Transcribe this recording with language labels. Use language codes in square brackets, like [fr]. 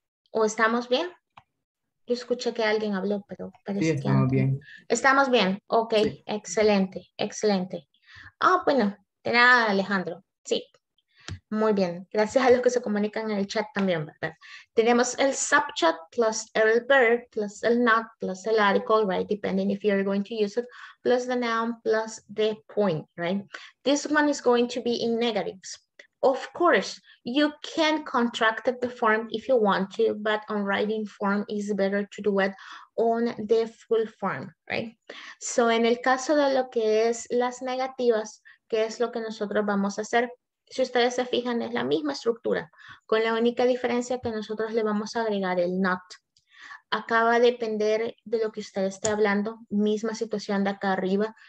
[es] ¿O estamos bien? Yo escuché que alguien habló, pero parece sí, que estamos bien. Estamos bien, ok, sí. Excelente, excelente. Ah, oh, bueno, de nada, Alejandro. Sí, muy bien. Gracias a los que se comunican en el chat también, ¿verdad? [en] Tenemos el subchat plus el verb plus el not plus el article, right? Depending if you're going to use it, plus the noun plus the point, right? This one is going to be in negatives. Of course, you can contract the form if you want to, but on writing form is better to do it on the full form, right? [es] So en el caso de lo que es las negativas, ¿qué es lo que nosotros vamos a hacer? Si ustedes se fijan, es la misma estructura, con la única diferencia que nosotros le vamos a agregar el not. Acaba de depender de lo que usted esté hablando, misma situación de acá arriba.